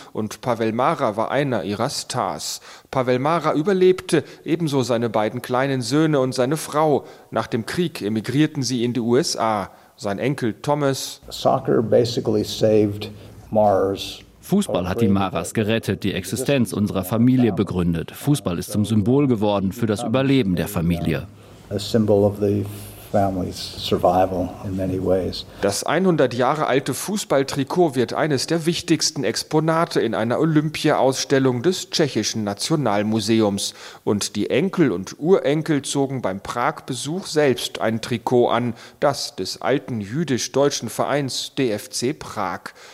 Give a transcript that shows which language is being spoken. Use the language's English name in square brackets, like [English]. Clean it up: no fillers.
[German] Und Pavel Mára war einer ihrer Stars. Pavel Mára überlebte, ebenso seine beiden kleinen Söhne und seine Frau. Nach dem Krieg emigrierten sie in die USA. Sein Enkel Thomas. [English] Soccer basically saved Mars. [German] Fußball hat die Máras gerettet, die Existenz unserer Familie begründet. Fußball ist zum Symbol geworden für das Überleben der Familie. [English] A symbol of the family's survival in many ways. [German] Das 100 Jahre alte Fußballtrikot wird eines der wichtigsten Exponate in einer Olympia-Ausstellung des tschechischen Nationalmuseums. Und die Enkel und Urenkel zogen beim Prag-Besuch selbst ein Trikot an, das des alten jüdisch-deutschen Vereins DFC Prag.